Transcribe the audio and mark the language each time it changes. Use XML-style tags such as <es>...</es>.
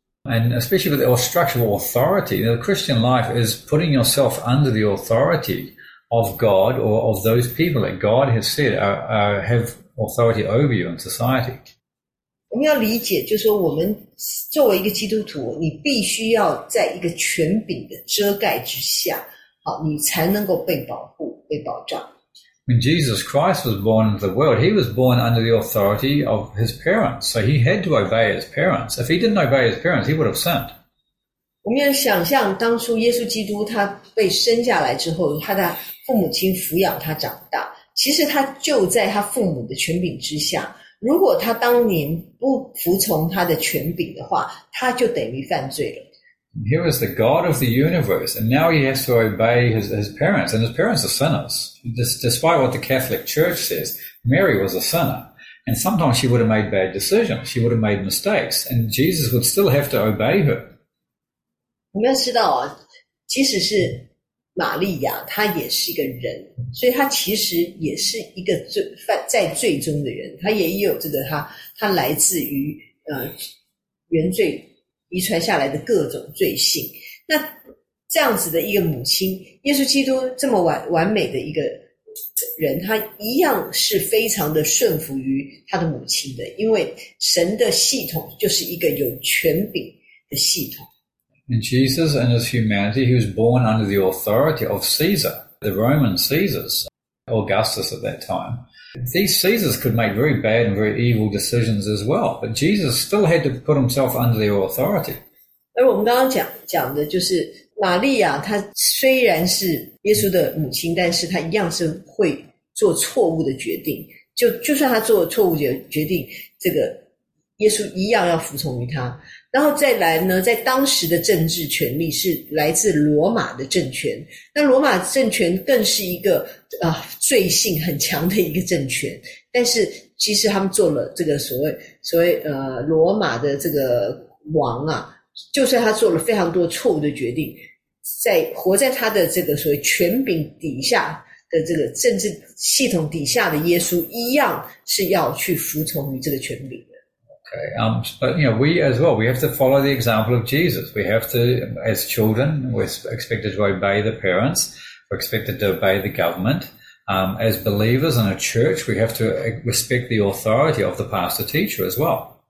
<en>And especially with our structural authority, the Christian life is putting yourself under the authority of God or of those people that God has said have authority over you in society.</en> <zh>我们要理解，就是说我们作为一个基督徒，你必须要在一个权柄的遮盖之下，好，你才能够被保护、被保障。</zh> <en>When Jesus Christ was born into the world, he was born under the authority of his parents. So he had to obey his parents. If he didn't obey his parents, he would have sinned.</en> <zh>我们要想象当初耶稣基督他被生下来之后，他的父母亲抚养他长大，其实他就在他父母的权柄之下。如果他当年不服从他的权柄的话，他就等于犯罪了。</zh> <en>Here is the God of the universe, and now he has to obey his parents, and his parents are sinners. Despite what the Catholic Church says, Mary was a sinner, and sometimes she would have made bad decisions, she would have made mistakes, and Jesus would still have to obey her.</en> <zh>我们要知道，即使是玛利亚，她也是一个人，所以她其实也是一个在罪中的人，她也有这个她来自于原罪遗传下来的各种罪性。那这样子的一个母亲，耶稣基督这么完美的一个人，他一样是非常的顺服于他的母亲的，因为神的系统就是一个有权柄的系统。</zh> <en>And Jesus and his humanity, he was born under the authority of Caesar, the Roman Caesars, Augustus at that time. These Caesars could make very bad and very evil decisions as well, but Jesus still had to put himself under their authority.</en> <zh>而我们刚刚讲的就是玛利亚，她虽然是耶稣的母亲，但是她一样是会做错误的决定。就算她做错误的决定，这个耶稣一样要服从于她。然后再来呢，在当时的政治权力是来自罗马的政权，那罗马政权更是一个罪性很强的一个政权。但是其实他们做了这个所谓罗马的这个王啊，就算他做了非常多错误的决定，在活在他的这个所谓权柄底下的这个政治系统底下的耶稣，一样是要去服从于这个权柄。</zh> <en>But we as well, we have to follow the example of Jesus. We have to, as children, we're expected to obey the parents, we're expected to obey the government. As believers in a church, we have to respect the authority of the pastor teacher as well.</en>